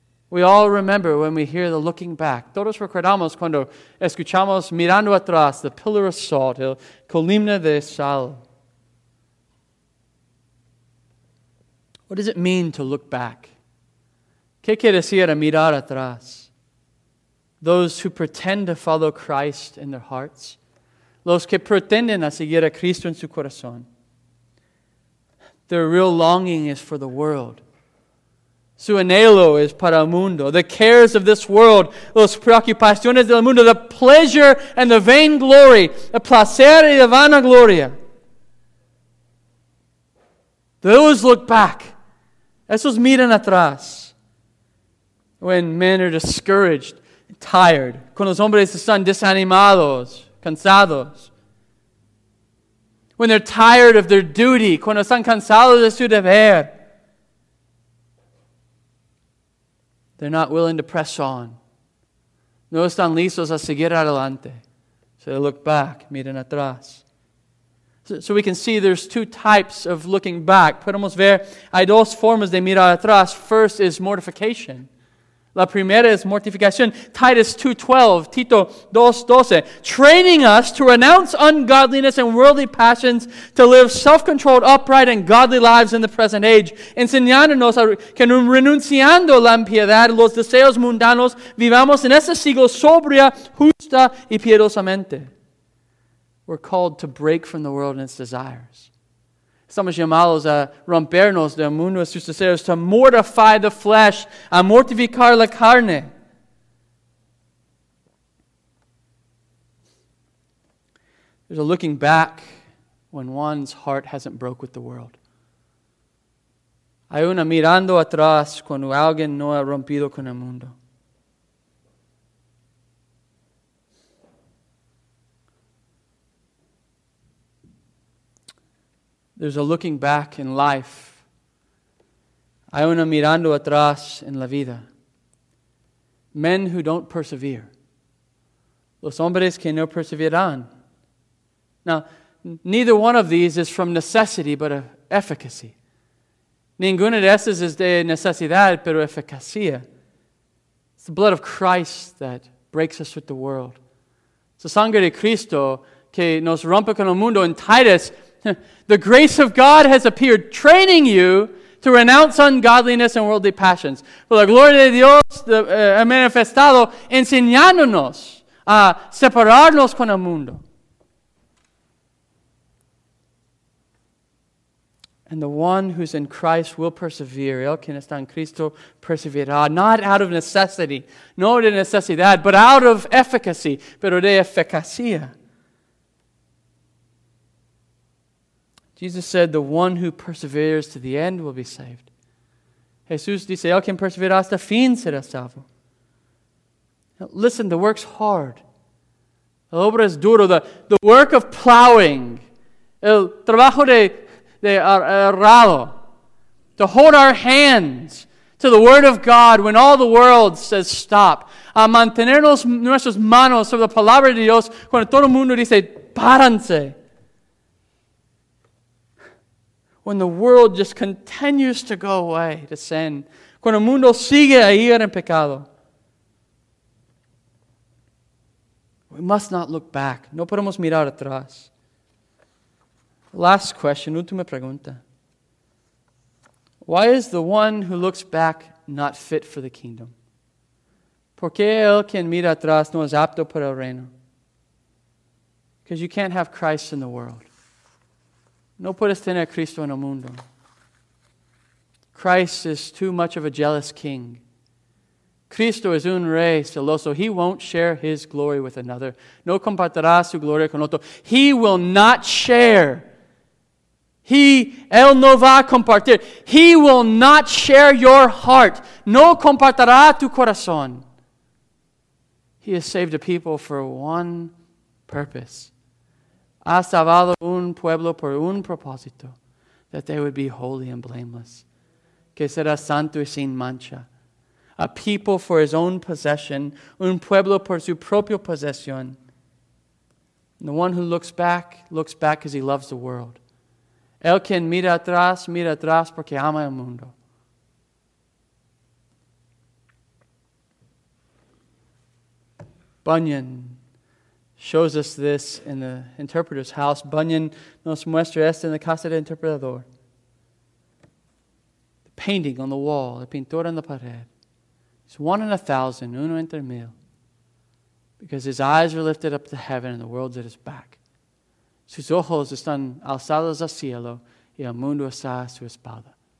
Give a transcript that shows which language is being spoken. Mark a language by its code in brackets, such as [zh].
[en] We all remember when we hear the looking back. [es] Todos recordamos cuando escuchamos mirando atrás, [en] the pillar of salt, [es] el columna de sal. [en] What does it mean to look back? [es] ¿Qué quiere decir a mirar atrás? [en] Those who pretend to follow Christ in their hearts. [es] Los que pretenden a seguir a Cristo en su corazón. [en] Their real longing is for the world. [es] Su anhelo es para el mundo. [en] The cares of this world. [es] Los preocupaciones del mundo. [en] The pleasure and the vain glory. [es] El placer y la vanagloria. [en] Those look back. [es] Esos miran atrás. [en] When men are discouraged, tired. [es] Cuando los hombres están desanimados, cansados. [en] When they're tired of their duty. [es] Cuando están cansados de su deber. [en] They're not willing to press on. [es] No están listos a seguir adelante. [en] So they look back, [es] miran atrás. [en] So we can see there's two types of looking back. [es] Podemos ver, hay dos formas de mirar atrás. [en] First is mortification. [es] La primera es mortificación. [en] Titus 2:12, Tito 2:12, training us to renounce ungodliness and worldly passions, to live self-controlled, upright, and godly lives in the present age. [es] Enseñándonos que renunciando la impiedad, los deseos mundanos, vivamos en este siglo sobria, justa y piedosamente. [en] We're called to break from the world and its desires. [es] Somos llamados a rompernos del mundo y sus deseos, [en] to mortify the flesh, [es] a mortificar la carne. [en] There's a looking back when one's heart hasn't broke with the world. [es] Hay una mirando atrás cuando alguien no ha rompido con el mundo. [en] There's a looking back in life. [es] Hay una mirando atrás en la vida. [en] Men who don't persevere. [es] Los hombres que no perseveran. [en] Now, neither one of these is from necessity, but of efficacy. [es] Ninguna de estas es de necesidad, pero eficacia. [en] It's the blood of Christ that breaks us with the world. [es] Es la sangre de Cristo que nos rompe con el mundo. [en] En Titus, the grace of God has appeared, training you to renounce ungodliness and worldly passions. For the [es] gloria de Dios ha manifestado, enseñándonos a separarnos con el mundo. [en] And the one who's in Christ will persevere. [es] El que está en Cristo perseverará, [en] not out of necessity, [es] no de necesidad, [en] but out of efficacy, [es] pero de eficacia. [en] Jesus said, the one who perseveres to the end will be saved. [es] Jesús dice, el que persevera hasta fin será salvo. [en] Now, listen, the work's hard. [es] La obra es duro. [en] The work of plowing. [es] El trabajo de arado. [en] To hold our hands to the word of God when all the world says stop. [es] A mantener nuestras manos sobre la palabra de Dios cuando todo el mundo dice, páranse. [en] When the world just continues to go away to sin. [es] Cuando el mundo sigue a ir en pecado. [en] We must not look back. [es] No podemos mirar atrás. [en] Last question, [es] última pregunta. [en] Why is the one who looks back not fit for the kingdom? [es] ¿Por qué el que mira atrás no es apto para el reino? [en] Because you can't have Christ in the world. [es] No puedes tener a Cristo en el mundo. [en] Christ is too much of a jealous king. [es] Cristo es un rey celoso. [en] He won't share his glory with another. [es] No compartirá su gloria con otro. [en] He will not share. [es] Él no va a compartir. [en] He will not share your heart. [es] No compartirá tu corazón. [en] He has saved a people for one purpose. [es] Ha salvado un pueblo por un propósito, [en] that they would be holy and blameless, [es] que será santo y sin mancha. [en] A people for his own possession, [es] un pueblo por su propia posesión. [en] And the one who looks back because he loves the world. [es] El quien mira atrás porque ama el mundo. [en] Bunyan shows us this in the interpreter's house. [es] Bunyan nos muestra esto en la casa del interpretador. [en] The painting on the wall, [es] la pintura en la pared. [en] It's one in a thousand, [es] uno entre mil. [en] Because his eyes are lifted up to heaven and the world's at his back. [es] Sus ojos están alzados al cielo y el mundo está a su espalda.